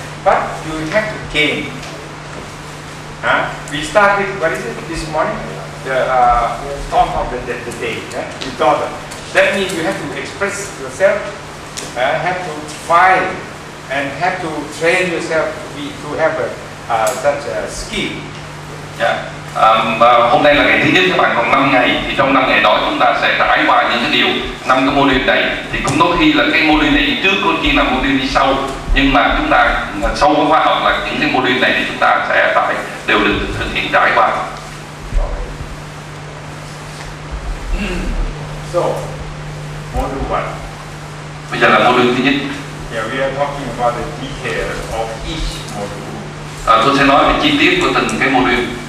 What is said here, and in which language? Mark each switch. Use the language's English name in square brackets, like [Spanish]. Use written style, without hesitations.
[English] But you have to gain. We started, what is it, this morning? The thought of the day. You thought of. That means you have to express yourself, have to find and have to train yourself to have such a skill. [Vietnamese] Và hôm nay là ngày thứ nhất, các bạn còn 5 ngày. Thì trong 5 ngày đó chúng ta sẽ trải qua những cái điều, 5 cái mô đun này. Thì cũng có khi là cái mô đun này trước, có khi là mô đun đi sau. Nhưng mà chúng ta sau khóa học là những cái mô đun này thì chúng ta sẽ phải đều được thực hiện trải qua. So, mô đun 1. Bây giờ là mô đun thứ nhất. [English] Yeah, we are talking about the detail of each module. [Vietnamese] Tôi sẽ nói về chi tiết của từng cái mô đun.